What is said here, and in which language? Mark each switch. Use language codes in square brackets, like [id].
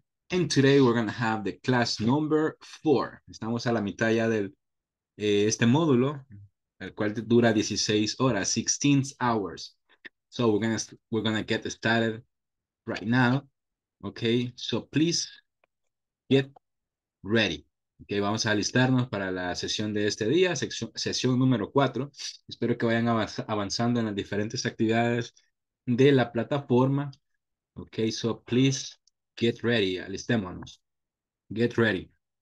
[en] And today we're going to have the class number 4. [es] Estamos a la mitad ya del este módulo, el cual dura 16 horas, [en] 16 hours. So we're going to get started right now. Okay? So please get ready. [es] Okay, vamos a alistarnos para la sesión de este día, sesión número 4. Espero que vayan avanzando en las diferentes actividades de la plataforma. [en] Okay, so please get ready, [es] alistémonos. [en] Get ready.